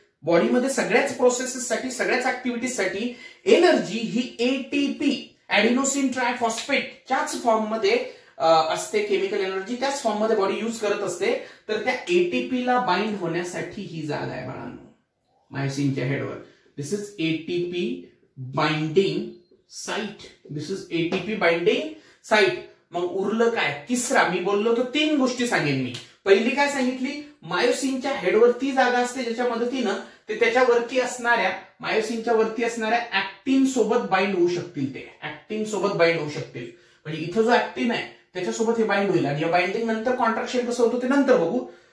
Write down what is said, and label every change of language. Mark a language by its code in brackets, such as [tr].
[mr] बॉडीमध्ये सगळ्याच प्रोसेसेससाठी, सगळ्याच ऍक्टिव्हिटीजसाठी एनर्जी ही एटीपी ऍडिनोसिन ट्रायफॉस्फेटच्याच फॉर्ममध्ये असते, केमिकल एनर्जी त्याच फॉर्ममध्ये बॉडी युज करत असते. तर त्या एटीपीला बाइंड होण्यासाठी ही जागा आहे बाळांनो मायोसिनच्या हेडवर. [en] This is ATP binding site, this is ATP binding site. [mr] मग उरलं काय, तिसरा, मी बोललो तर तीन गोष्टी सांगेन मी. पहिली काय सांगितली, मायोसिनच्या हेडवर ती जागा असते ज्याच्या मदतीनं ते त्याच्यावरती असणाऱ्या, मायोसिनच्या वरती असणाऱ्या ऍक्टिन सोबत बाइंड होऊ शकतील, ते ऍक्टिन सोबत बाइंड होऊ शकतील, म्हणजे इथं जो ऍक्टिन आहे त्याच्यासोबत हे बाइंड होईल, आणि या बाइंडिंग नंतर कॉन्ट्रॅक्शन कसं होतं ते नंतर बघू.